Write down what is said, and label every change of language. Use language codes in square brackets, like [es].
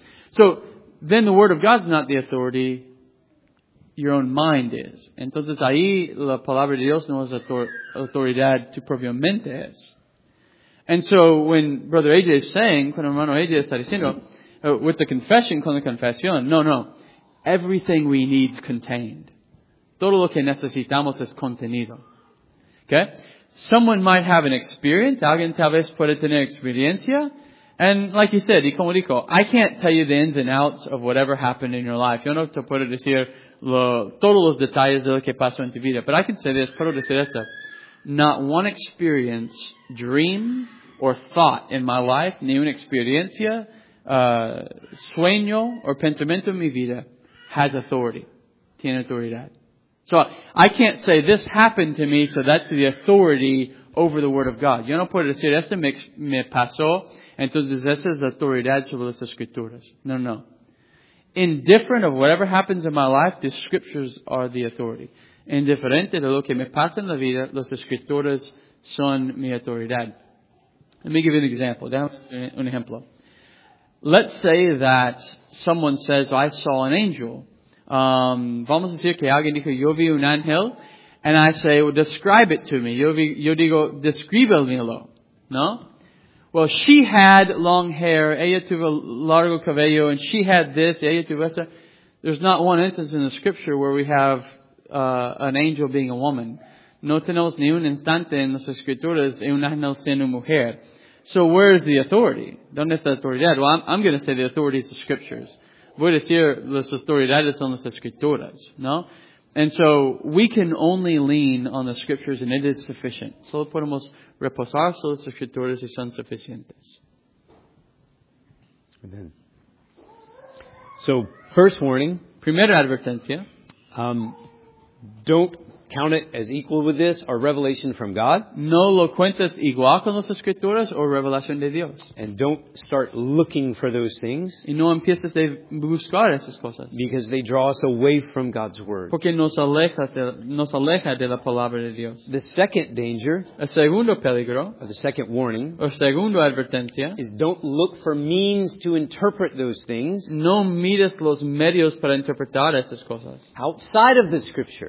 [en] So, then the word of God is not the authority, your own mind is. [es] Entonces ahí la palabra de Dios no es autoridad, tu propia mente es. [en] And so when Brother AJ is saying, [es] cuando hermano AJ está diciendo, [en] with the confession, [es] con la confesión, no. [en] Everything we need is contained. [es] Todo lo que necesitamos es contenido. [en] Okay? Someone might have an experience. [es] Alguien tal vez puede tener experiencia. [en] And like you said, [es] y como dijo, [en] I can't tell you the ins and outs of whatever happened in your life. [es] Yo no te puedo decir todos los detalles de lo que pasó en tu vida. [en] But I can say this, [es] puedo decir esto. [en] Not one experience, dream, or thought in my life, [es] ni una experiencia, sueño, or pensamiento en mi vida, [en] has authority. [es] Tiene autoridad. [en] So I can't say this happened to me, so that's the authority over the word of God. [es] Yo no puedo decir esto me pasó. Entonces, esa es la autoridad sobre las escrituras. No. [en] Indifferent of whatever happens in my life, the scriptures are the authority. [es] Indiferente de lo que me pasa en la vida, las escrituras son mi autoridad. [en] Let me give you an example. [es] Un ejemplo. [en] Let's say that someone says, I saw an angel. [es] Vamos a decir que alguien dijo, yo vi un ángel. [en] And I say, well, describe it to me. [es] Yo digo, descríbelmelo. No? [en] Well, she had long hair, [es] ella tuvo largo cabello, [en] and she had this, [es] ella tuvo esta. [en] There's not one instance in the scripture where we have an angel being a woman. [es] No tenemos ni un instante en las escrituras en un ángel siendo mujer. [en] So where is the authority? [es] ¿Dónde está la autoridad? [en] Well, I'm going to say the authority is the scriptures. [es] Voy a decir las autoridades son las escrituras, ¿no? [en] And so we can only lean on the scriptures, and it is sufficient. [es] Solo podemos reposar sobre las escrituras y son suficientes. [en] Amen. So, first warning. [es] Primera advertencia. [en] Don't count it as equal with this, or revelation from God. [es] No lo cuentas igual con las escrituras o revelación de Dios. [en] And don't start looking for those things. [es] Y no empieces a buscar esas cosas. [en] Because they draw us away from God's word. [es] Porque nos aleja de la palabra de Dios. [en] The second danger. [es] El segundo peligro. [en] Or the second warning. [es] O segundo advertencia. [en] Is don't look for means to interpret those things. [es] No mires los medios para interpretar esas cosas. [en] Outside of the scripture.